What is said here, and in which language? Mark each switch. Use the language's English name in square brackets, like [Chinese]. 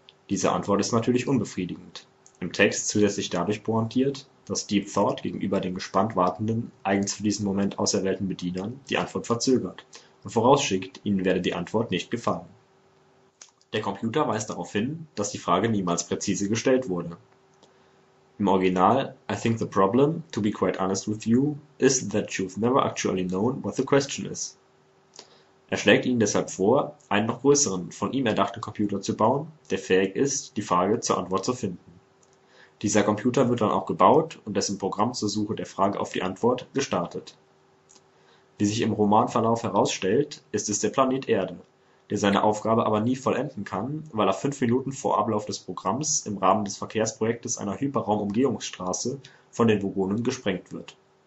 [German] Diese Antwort ist natürlich unbefriedigend. Im Text zusätzlich dadurch pointiert, dass Deep Thought gegenüber den gespannt wartenden, eigens für diesen Moment auserwählten Bedienern die Antwort verzögert und vorausschickt, ihnen werde die Antwort nicht gefallen. Der Computer weist darauf hin, dass die Frage niemals präzise gestellt wurde. Im Original, [English] I think the problem, to be quite honest with you, is that you've never actually known what the question is. [German] Er schlägt ihnen deshalb vor, einen noch größeren, von ihm erdachten Computer zu bauen, der fähig ist, die Frage zur Antwort zu finden. Dieser Computer wird dann auch gebaut und dessen Programm zur Suche der Frage auf die Antwort gestartet. Wie sich im Romanverlauf herausstellt, ist es der Planet Erde, der seine Aufgabe aber nie vollenden kann, weil er 5 Minuten vor Ablauf des Programms im Rahmen des Verkehrsprojektes einer Hyperraumumgehungsstraße von den Vogonen gesprengt wird.